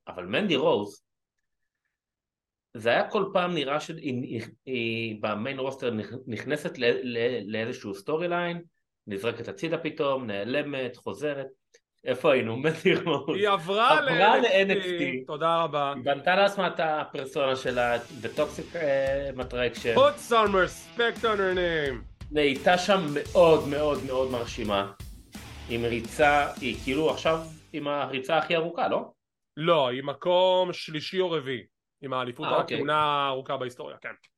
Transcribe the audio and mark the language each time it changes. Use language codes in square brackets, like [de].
[he] אבל מנדי רוז, זה היה כל פעם נראה שהיא במיין רוסטר נכנסת לאיזשהו סטורי ליין, נזרקת הצידה פתאום, נעלמת, חוזרת. איפה היינו? מנדי רוז. היא עברה ל-NXT. תודה רבה. בנתה לעצמה את הפרסונה שלה, The Toxic Attraction. [en] Put some respect on her name. [he] נהייתה שם מאוד מאוד מאוד מרשימה. עם ריצה, היא כאילו עכשיו עם הריצה הכי ארוכה, לא? לא, היא מקום שלישי או רביעי, עם האליפות הכהונה הארוכה בהיסטוריה, כן.